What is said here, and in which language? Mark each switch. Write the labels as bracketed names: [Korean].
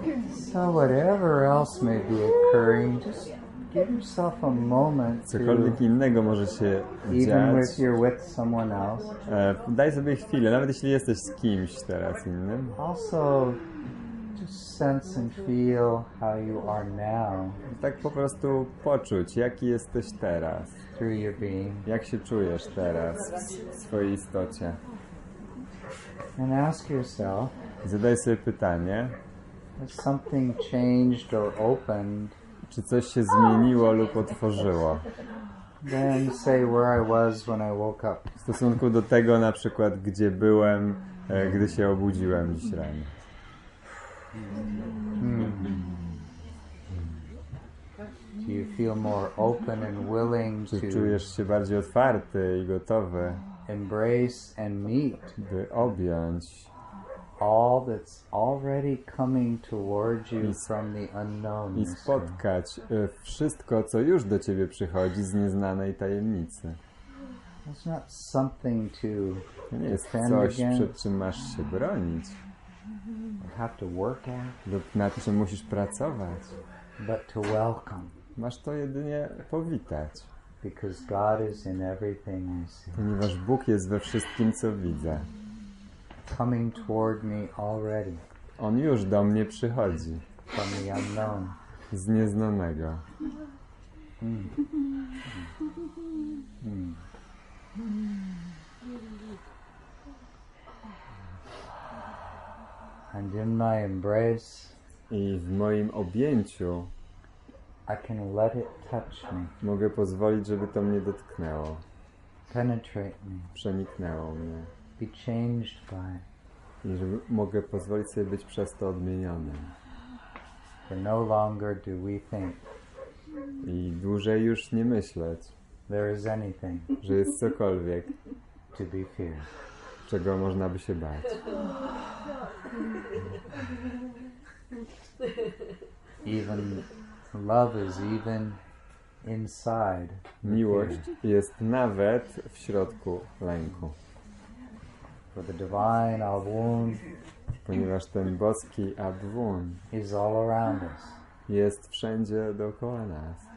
[English] So whatever else may be occurring, just give yourself a moment. [Polish] Cokolwiek innego może się dziać. [English] Even if you're with someone else. [Polish] Daj sobie chwilę, nawet jeśli jesteś z kimś teraz innym. [English] Also, just sense and feel how you are now. [Polish] I tak po prostu poczuć, jaki jesteś teraz. [English] Through your being. [Polish] Jak się czujesz teraz w swojej istocie. [English] And ask yourself. [Polish] Zadaj sobie pytanie. [English] Has something changed or opened? [Polish] Czy coś się zmieniło lub otworzyło? [English] Then say where I was when I woke up. [Polish] W stosunku do tego, na przykład, gdzie byłem, gdy się obudziłem dziś rano. [English] Do you feel more open and willing to? [Polish] Czy czujesz się bardziej otwarty i gotowy? [English] Embrace and meet. [Polish] By objąć. [English] All that's already coming towards you from the unknown. [Polish] I spotkać wszystko, co już do ciebie przychodzi z nieznanej tajemnicy. [English] It's not something to defend against. [Polish] Nie jest coś, przed czym masz się bronić. [English] You have to work at. [Polish] Lub nad czym musisz pracować. [English] But to welcome. [Polish] Masz to jedynie powitać. [English] Because God is in everything I see. [Polish] Ponieważ Bóg jest we wszystkim, co widzę. [English] Coming toward me already. [Polish] On już do mnie przychodzi. [English] From the unknown. [Polish] Z nieznanego. [English] And in my embrace. [Polish] I w moim objęciu. [English] I can let it touch me. [Polish] Mogę pozwolić, żeby to mnie dotknęło. [English] Penetrate me. [Polish] Przeniknęło mnie. [English] Be changed by. [Polish] I że mogę pozwolić sobie być przez to odmieniony. [English] For no longer do we think. [Polish] I dłużej już nie myśleć. [English] There is anything. [Polish] Że jest cokolwiek. [English] To be feared. [Polish] Czego można by się bać. [English] Even love is even inside. [Polish] Miłość jest nawet w środku lęku. [English] For the divine Abwun, [Polish] ponieważ ten boski Abwun [English] is all around us. [Polish] Jest wszędzie dookoła nas.